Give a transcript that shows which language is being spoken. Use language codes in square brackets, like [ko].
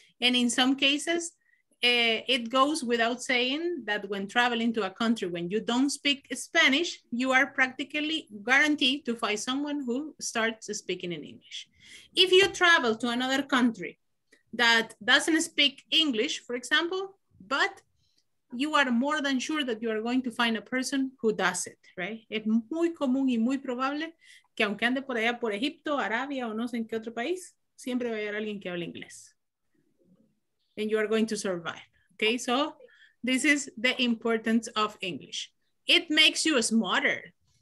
[en] And in some cases, it goes without saying that when traveling to a country, when you don't speak Spanish, you are practically guaranteed to find someone who starts speaking in English. If you travel to another country that doesn't speak English, for example, but you are more than sure that you are going to find a person who does it, right? [es] Es muy común y muy probable que aunque ande por allá por Egipto, Arabia, o no sé en qué otro país, siempre va a haber alguien que hable inglés. [en] And you are going to survive, okay? So this is the importance of English. It makes you smarter.